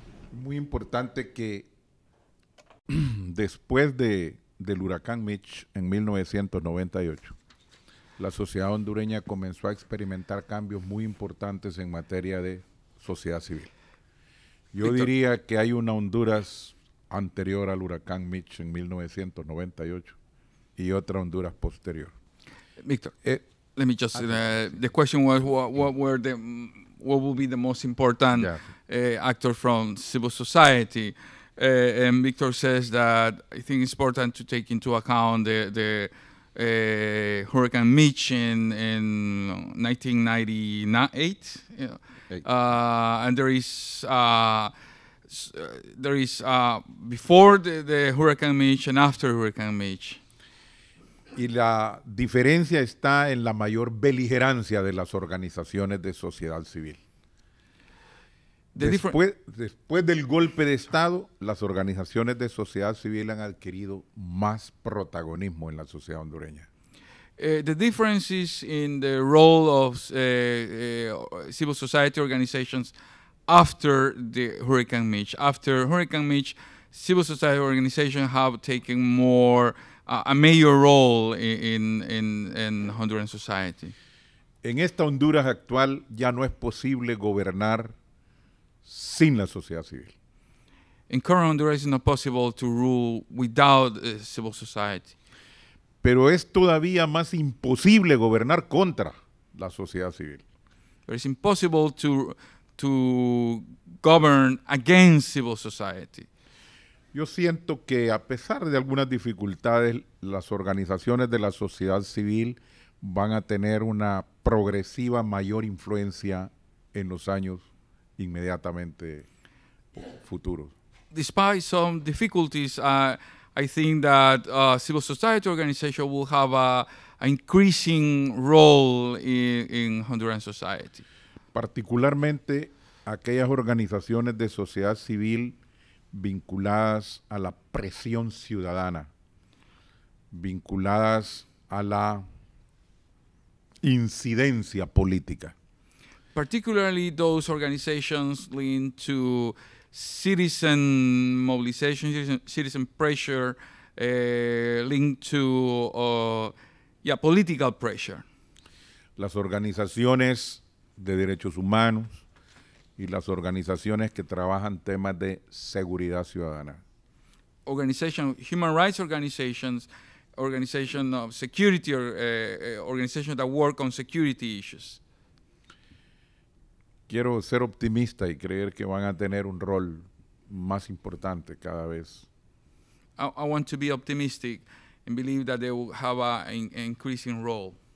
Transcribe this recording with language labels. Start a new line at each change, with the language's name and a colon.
Spanish: Muy importante que después del huracán Mitch en 1998, la sociedad hondureña comenzó a experimentar cambios muy importantes en materia de sociedad civil. Yo diría que hay una Honduras anterior al huracán Mitch en 1998. Y otra Honduras posterior.
English: Victor, let me just. The question was: what would be the most important actor from civil society? And Victor says that I think it's important to take into account the Hurricane Mitch in 1998. And before the Hurricane Mitch and after Hurricane Mitch.
Spanish: Y la diferencia está en la mayor beligerancia de las organizaciones de sociedad civil. Después del golpe de Estado, las organizaciones de sociedad civil han adquirido más protagonismo en la sociedad hondureña.
English: The difference is in the role of civil society organizations after the Hurricane Mitch. After Hurricane Mitch, civil society organizations have taken more a major role in Honduran society.
Spanish: En esta Honduras actual ya no es posible gobernar sin la sociedad civil.
English: In current Honduras, it's not possible to rule without civil society.
Spanish: Pero es todavía más imposible gobernar contra la sociedad civil.
English: But it's impossible to govern against civil society.
Spanish: Yo siento que, a pesar de algunas dificultades, las organizaciones de la sociedad civil van a tener una progresiva mayor influencia en los años inmediatamente futuros.
English: Despite some difficulties, I think that civil society organization will have an increasing role in Honduran society.
Spanish: Particularmente aquellas organizaciones de sociedad civil vinculadas a la presión ciudadana, vinculadas a la incidencia política.
English: Particularly those organizations linked to citizen mobilization, citizen pressure, linked to political pressure.
Spanish: Las organizaciones de derechos humanos y las organizaciones que trabajan temas de seguridad ciudadana.
English: Organization, human rights organizations, organization of security, organizations that work on security issues.
Spanish: Quiero ser optimista y creer que van a tener un rol más importante cada vez.
English: I want to be optimistic and believe that they will have an increasing role.